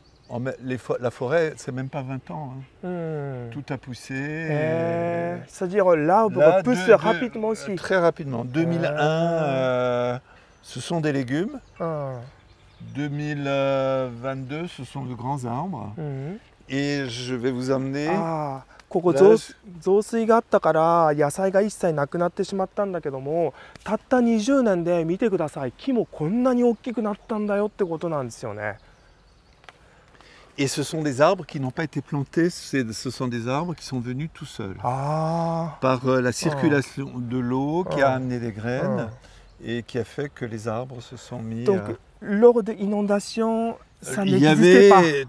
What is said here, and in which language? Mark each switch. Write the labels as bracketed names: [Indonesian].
[French] Oh, mais la forêt, c'est même pas 20 ans. Hein. Tout a poussé. C'est-à-dire, l'arbre pousse rapidement aussi. Très rapidement. 2001, ce sont des légumes. 2022, ce sont de grands arbres. Et je vais vous emmener. [Japanese] ここ増水があったから野菜が一切なくなってしまったんだけども、たった20年で見てください、木もこんなに大きくなったんだよってことなんですよね。 [French] Et ce sont des arbres qui n'ont pas été plantés, ce sont des arbres qui sont venus tout seuls. Par la circulation de l'eau qui a amené des graines et qui a fait que les arbres se sont mis. Donc, lors des inondations, ça n'existait pas.